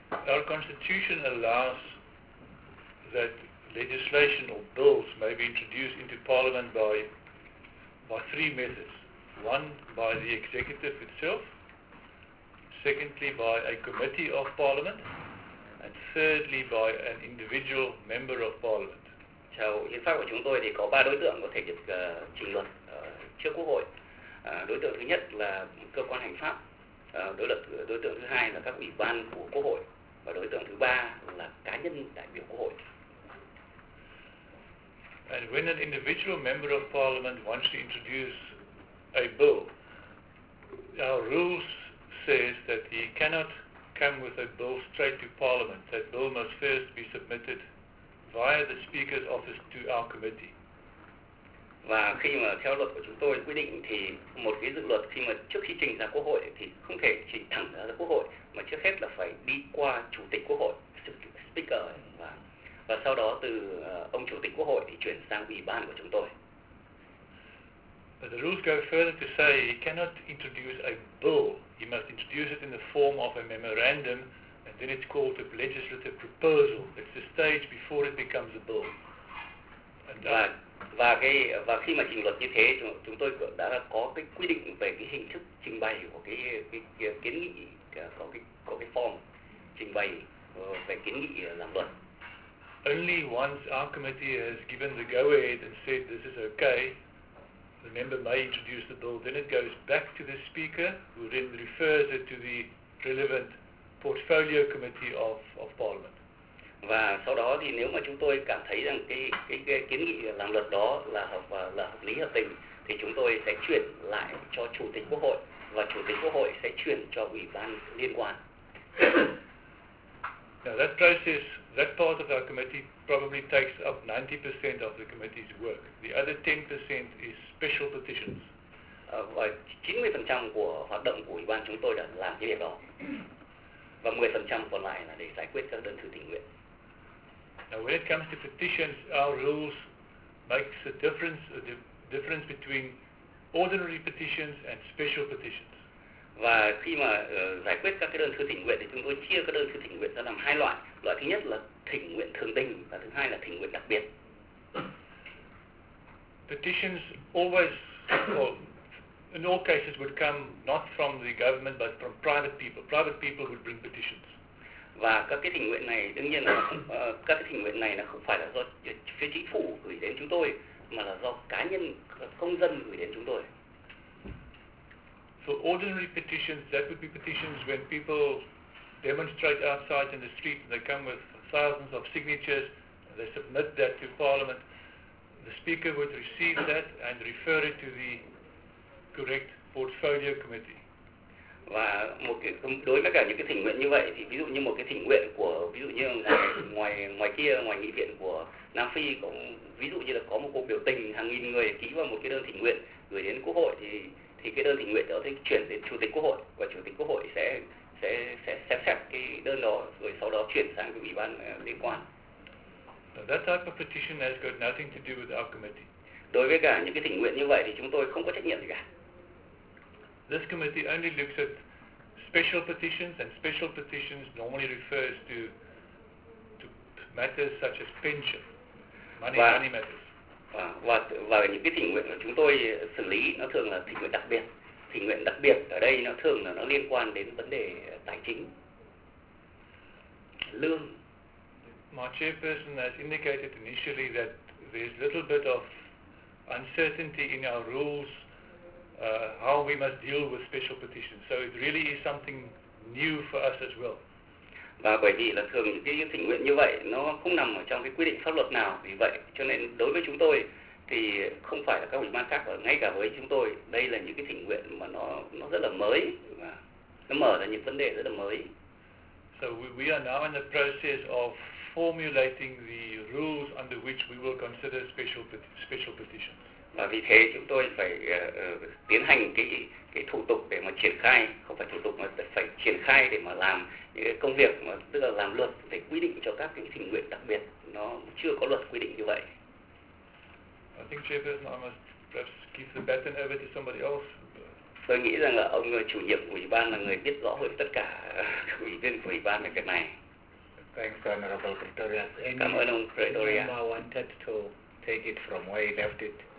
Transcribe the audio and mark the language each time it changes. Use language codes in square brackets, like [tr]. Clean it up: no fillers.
[en] Our constitution allows that legislation or bills may be introduced into parliament by three methods. One, by the executive itself. Secondly, by a committee of parliament. And thirdly, by an individual member of parliament. [vi] Theo hiến pháp của chúng tôi thì có ba đối tượng có thể được trình luật trước quốc hội. Đối tượng thứ nhất là cơ quan hành pháp, đối tượng thứ hai là các ủy ban của quốc hội, và đối tượng thứ ba là cá nhân đại biểu quốc hội. [en] And when an individual member of parliament wants to introduce a bill, our rules says that he cannot come with a bill straight to parliament. That bill must first be submitted via the speaker's office to our committee. [vi] Và khi mà theo luật của chúng tôi quy định thì một cái dự luật khi mà trước khi trình ra quốc hội thì không thể trình thẳng ra quốc hội, mà trước hết là phải đi qua chủ tịch quốc hội, speaker, và sau đó từ ông chủ tịch quốc hội thì chuyển sang ủy ban của chúng tôi. [en] But the rules go further to say he cannot introduce a bill, he must introduce it in the form of a memorandum. Then it's called a legislative proposal. It's the stage before it becomes a bill. [vi] And và khi mà trình luật như thế, chúng tôi đã có cái quy định về cái hình thức trình bày của cái kiến nghị, có cái form trình bày về kiến nghị làm luật. [en] only once our committee has given the go-ahead and said this is okay, the member may introduce the bill, then it goes back to the speaker, who then refers it to the relevant portfolio committee of parliament. [vi] Và sau đó thì nếu mà chúng tôi cảm thấy rằng cái kiến nghị làm luật đó là hợp lý hợp tình thì chúng tôi sẽ chuyển lại cho chủ tịch quốc hội và chủ tịch quốc hội sẽ chuyển cho ủy ban liên quan. [en] Now that process, that part of our committee probably takes up 90% of the committee's work. The other 10% is special petitions. [vi] Và 90% của hoạt động của ủy ban chúng tôi đã làm cái việc đó. Và 10% còn lại là để giải quyết các đơn thư tình nguyện. [en] Now when it comes to petitions, our rules makes a difference between ordinary petitions and special petitions. [vi] Và khi mà giải quyết các cái đơn thư thỉnh nguyện thì chúng tôi chia các đơn thư thỉnh nguyện ra làm hai loại. Loại thứ nhất là thỉnh nguyện thường đình và thứ hai là thỉnh nguyện đặc biệt. [en] Petitions always, or in all cases, would come not from the government but from private people. Private people would bring petitions. [vi] Và các cái thỉnh nguyện này đương nhiên là các cái thỉnh nguyện này là không phải là do phía chính phủ gửi đến chúng tôi mà là do cá nhân công dân gửi đến chúng tôi. [en] So ordinary petitions, that would be petitions when people demonstrate outside in the street and they come with thousands of signatures and they submit that to parliament. The speaker would receive that and refer it to the correct portfolio committee. [vi] Và một cái, đối với cả những cái thỉnh nguyện như vậy thì ví dụ như một cái thỉnh nguyện của ví dụ như ngoài kia ngoài nghị viện của Nam Phi cũng ví dụ như là có một cuộc biểu tình hàng nghìn người ký vào một cái đơn thỉnh nguyện gửi đến quốc hội thì cái đơn thỉnh nguyện đó sẽ chuyển đến chủ tịch quốc hội và chủ tịch quốc hội sẽ xem xét cái đơn đó rồi sau đó chuyển sang cái ủy ban liên quan. [en] That type of petition has got nothing to do with our committee. [vi] Đối với cả những cái thỉnh nguyện như vậy thì chúng tôi không có trách nhiệm gì cả. [en] This committee only looks at special petitions, and special petitions normally refers to matters such as pension, money matters. [vi] Và những cái thỉnh nguyện mà chúng tôi xử lý nó thường là thỉnh nguyện đặc biệt. Thỉnh nguyện đặc biệt ở đây nó thường là nó liên quan đến vấn đề tài chính, lương. [en] My chairperson has indicated initially that there's a little bit of uncertainty in our rules. How we must deal with special petitions. So it really is something new for us as well. [vi] Và bởi vì là thường cái thỉnh nguyện như vậy nó không nằm ở trong cái quy định pháp luật nào, vì vậy cho nên đối với chúng tôi thì không phải là các ủy ban khác ở ngay cả với chúng tôi, đây là những cái thỉnh nguyện mà nó rất là mới và nó mở ra những vấn đề rất là mới. [en] So we are now in the process of formulating the rules under which we will consider special petitions. [vi] Và vì thế chúng tôi phải tiến hành cái thủ tục để mà triển khai, không phải thủ tục mà phải triển khai để mà làm những cái công việc mà tức là làm luật để quy định cho các cái thỉnh nguyện đặc biệt, nó chưa có luật quy định như vậy. [en] I think chairperson, I must perhaps give the baton over to somebody else. [vi] Tôi nghĩ rằng là ông chủ nhiệm của ủy ban là người biết rõ hơn tất cả các ủy viên của ủy ban về việc này. [en] Thanks, Honorable Pretoria. [vi] Cảm ơn ông Pretoria. [en] I wanted to take it from where he left it.